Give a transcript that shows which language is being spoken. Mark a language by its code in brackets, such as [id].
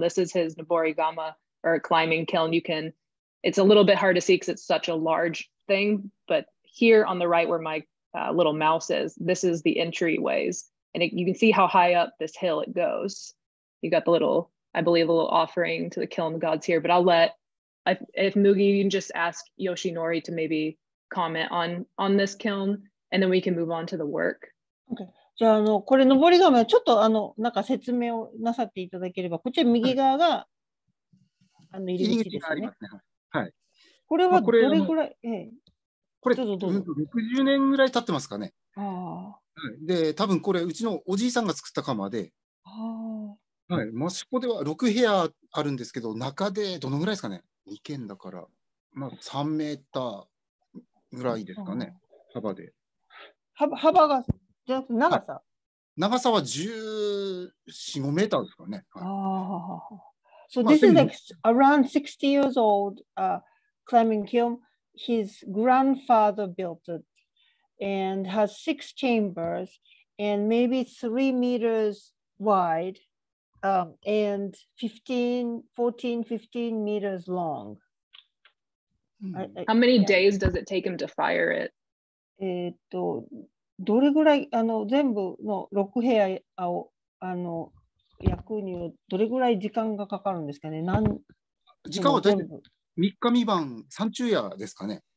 [en] This is his Noborigama or climbing kiln. You can, it's a little bit hard to see because it's such a large thing, but here on the right where my little mouse is, this is the entryways. And you can see how high up this hill it goes. You got the little, I believe, a little offering to the kiln gods here, but I'll let, if Mugi, you can just ask Yoshinori to maybe comment on this kiln, and then we can move on to the work. Okay. [ja] じゃあ、あの、これ、のぼり窯、ちょっと、あの、なんか説明をなさっていただければ、こっち右側が、あの、入り口ですね。はい。これは、どれくらい、これ、60年ぐらい経ってますかね。あ、はい、で、多分これ、うちのおじいさんが作った窯で、あ、はい、マシコでは6部屋あるんですけど、中でどのぐらいですかね。 2軒だから、まあ、3メーターぐらいですかね、幅で。幅が、じゃなくて長さ、はい、長さは14、5メーターですかね。はい、 [en] あ、So this is like around 60 years old, climbing kiln. His grandfather built it and has six chambers and maybe 3 meters wide and 15 meters long. How many days does it take him to fire it? [ja] どれぐらい、あの、全部の6部屋を、あの、焼くにどれぐらい時間がかかるんですかね。時間は大体3日未晩3昼夜ですかね。